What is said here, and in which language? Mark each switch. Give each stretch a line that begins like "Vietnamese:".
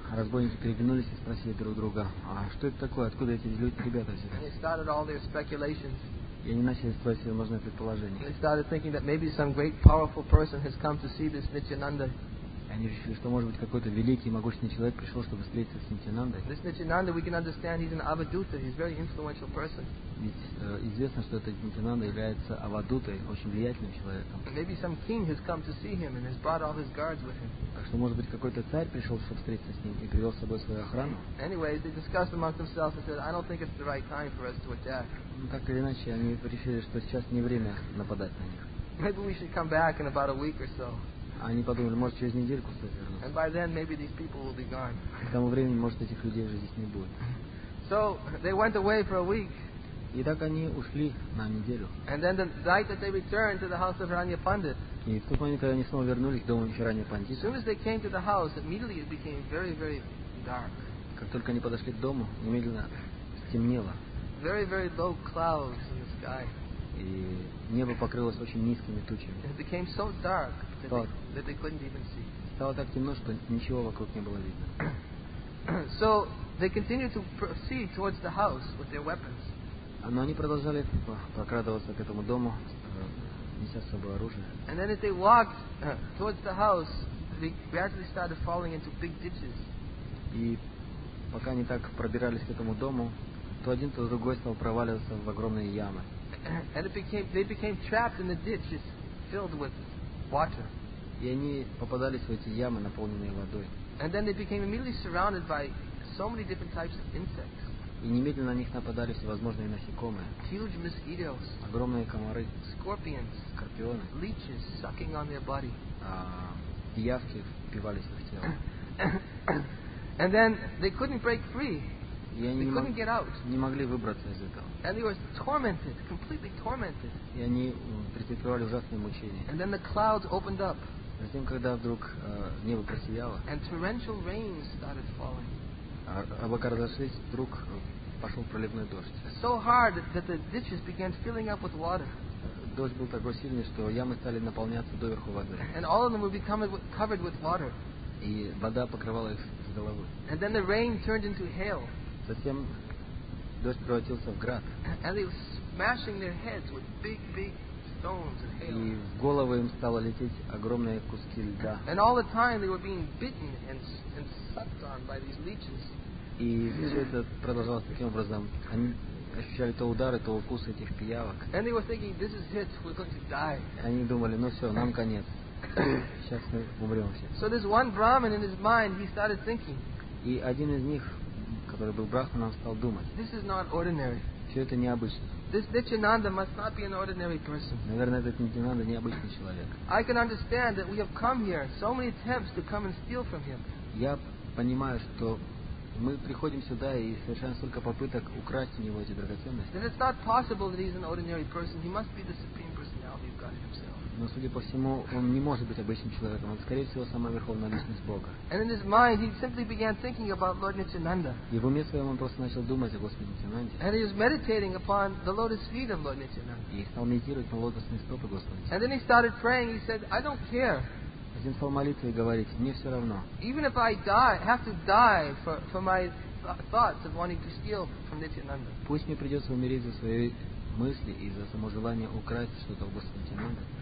Russian: Разбойники переглянулись и спросили друг друга, а что это такое, откуда эти люди, ребята все?
English: And they started all their speculations.
Russian: И они начали строить всевозможные предположения.
English: And they started thinking that maybe some great powerful person has come to see this Nityananda.
Russian: Они решили, что, может быть, какой-то великий и могущественный человек пришел, чтобы встретиться с Нитянандой.
English: This Nityananda, we can understand, he's an avaduta, he's a very influential person.
Russian: Ведь известно, что этот Нитянанда является авадутой, очень влиятельным человеком.
English: Maybe some king has come to see him and has brought all his guards with him.
Russian: Так что, может быть, какой-то царь пришел, чтобы встретиться с ним и привел с собой свою охрану.
English: Anyways, they discussed amongst themselves and said, "I don't think it's the right time for us to attack."
Russian: Ну, так или иначе, они решили, что сейчас не время нападать на них.
English: Maybe we should come back in about a week or so.
Russian: Они подумали, может, через недельку стоит вернуться.
English: And by then, maybe these people will be gone.
Russian: К тому времени, может, этих людей уже здесь не будет.
English: So, they went away for a week.
Russian: И так они ушли на неделю.
English: And then the night that they returned to the house of Hiranya Pandit.
Russian: И в тот момент, когда они снова вернулись к дому Хиранья Пандита.
English: As soon as they came to the house, immediately it became very, very dark.
Russian: Как только они подошли к дому, немедленно стемнело.
English: Very, very low clouds in the sky.
Russian: И небо покрылось очень низкими тучами.
English: It became so dark. That they couldn't even see.
Russian: Стало так темно, что ничего вокруг не было видно.
English: So they continued to proceed towards the house with their weapons.
Russian: Но они продолжали прокрадываться к этому дому, неся с собой оружие.
English: And then as they walked towards the house, they gradually started falling into big ditches.
Russian: И пока они так пробирались к этому дому, то один, то другой стал проваливаться в огромные ямы.
English: And they became trapped in the ditches filled with water.
Russian: И они попадались в эти ямы, наполненные водой.
English: And then they became immediately surrounded by so many different types of insects.
Russian: И немедленно на них нападали всевозможные насекомые.
English: Huge mosquitoes.
Russian: Огромные комары.
English: Scorpions.
Russian: Скорпионы.
English: Leeches sucking on their body.
Russian: Пиявки впивались в их тело.
English: And then they couldn't break free.
Russian: и они не могли выбраться из этого.
English: And they were tormented, completely tormented.
Russian: И они претерпевали ужасные мучения.
English: And then the clouds opened up.
Russian: Затем, когда вдруг небо просияло,
English: and torrential rains started falling.
Russian: Облака разошлись, вдруг пошел проливной дождь.
English: So hard that the ditches began filling up with water.
Russian: Дождь был такой сильный, что ямы стали наполняться доверху водой.
English: And all of them were becoming covered with water.
Russian: И вода покрывала их с головы.
English: And then the rain turned into hail.
Russian: Затем дождь превратился в град.
English: And they were smashing their heads with big stones and hail.
Russian: И в голову им стало лететь огромные куски льда.
English: And all the time they were being bitten and sucked on by these leeches.
Russian: И все это продолжалось таким образом. Они ощущали то удары, то укусы этих пиявок.
English: And they were thinking, this is it, we're going to die.
Russian: Они думали, ну все, нам конец. Сейчас мы умрем все.
English: So this one Brahmin in his mind, he started thinking.
Russian: И один из них, который был Брахманом, стал думать.
English: This is not ordinary.
Russian: Все это необычно.
English: This Nityananda must not be an ordinary person.
Russian: Наверное, этот Нитьянанда необычный человек.
English: I can understand that we have come here, so many attempts to come and steal from him.
Russian: Я понимаю, что мы приходим сюда и совершаем столько попыток украсть у него эти драгоценности.
English: Then it's not possible that he's an ordinary person. He must be the supreme personality of God himself.
Russian: Но судя по всему, он не может быть обычным человеком. Он, скорее всего, самая верховная личность Бога.
English: And in his mind, he simply began thinking about Lord Nityananda.
Russian: И в уме своем он просто начал думать о Господе Нитьянанде.
English: And he was meditating upon the lotus feet of Lord Nityananda.
Russian: И стал медитировать на лотосные стопы Господа.
English: And then he started praying. He said, "I don't care."
Russian: Один стал молиться и говорить, мне все равно.
English: Even if I die, have to die for my thoughts of wanting to steal from Nityananda.
Russian: Пусть мне придется умереть за свои мысли и за само желание украсть что-то у Господа Нитьянанды.